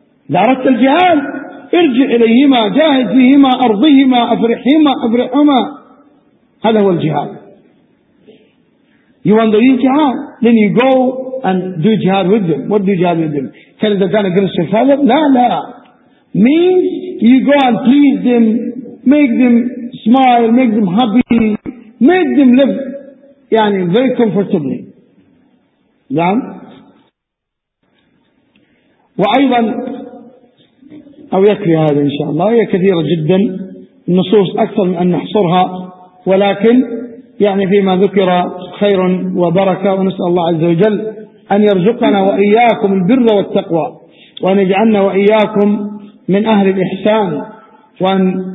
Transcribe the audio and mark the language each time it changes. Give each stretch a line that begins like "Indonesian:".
Arabic: إذا أردت الجهاد ارجع إليهما جاهد فيهما أرضهما أفرحهما أفرحهما. هذا هو الجهاد.
English: You want to do jihad? Then you go and do jihad with them. What do jihad with them? Tell them that they're going to kill your father?
Arabic: لا.
English: Means you go and please them, make them smile, make them happy. Made them live very comfortably.
Arabic: نعم وأيضا أو يكفي هذا إن شاء الله هي كثيرة جدا النصوص أكثر من أن نحصرها ولكن فيما ذكر خير وبركة ونسأل الله عز وجل أن يرزقنا وإياكم البر والتقوى وأن يجعلنا وإياكم من أهل الإحسان وأن